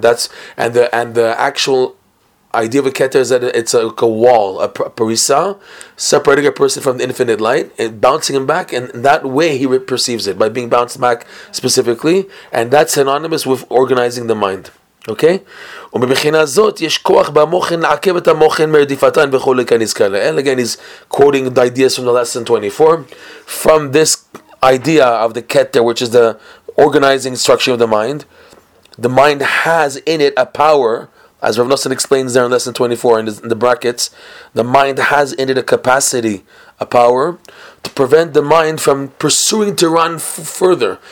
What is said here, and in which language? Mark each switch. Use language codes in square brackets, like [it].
[en] That's and the actual idea of a keter is that it's like a wall, a parisa, separating a person from the infinite light, and bouncing him back, and that way he perceives it, by being bounced back specifically, and that's synonymous with organizing the mind. Okay? [he] ומבחינה זאת יש כוח במוחן לעכב את המוחן מרדיפתן וכולי כנזכר לאל. [en] Again, he's quoting the ideas from the lesson 24. From this idea of the keter, which is the organizing structure of the mind. The mind has in it a power, as Rav Nosson explains there in lesson 24 in the brackets, the mind has in it a capacity, a power, to prevent the mind from pursuing to run further.